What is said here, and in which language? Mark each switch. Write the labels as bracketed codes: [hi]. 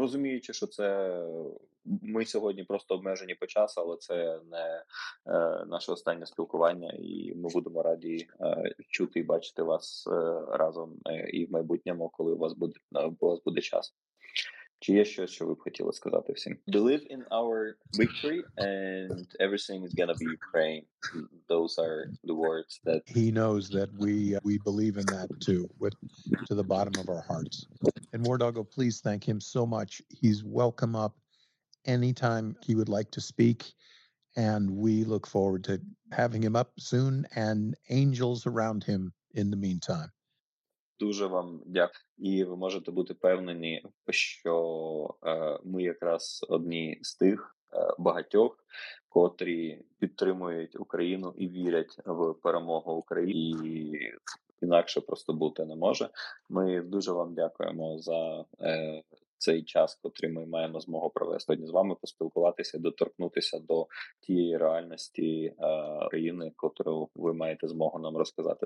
[uk] Розуміючи, що це ми сьогодні просто обмежені по часу, але це не наше останнє спілкування, і ми будемо раді чути і бачити вас разом і в майбутньому, коли у вас буде час. Чи є щось, що ви б хотіли сказати всім? [en] Believe in our victory and everything is going to be Ukraine. Those are the words that... He knows that we believe in that too, with, to the bottom of our hearts. And Wardogo, please thank him so much. He's welcome up anytime he would like to speak. And we look forward to having him up soon and angels around him in the meantime. [uk] Дуже вам дякую. І ви можете бути впевнені, що ми якраз одні з тих багатьох, котрі підтримують Україну і вірять в перемогу України. І інакше просто бути не може. Ми дуже вам дякуємо за цей час, котрий ми маємо змогу провести з вами, поспілкуватися, доторкнутися до тієї реальності України, котру ви маєте змогу нам розказати.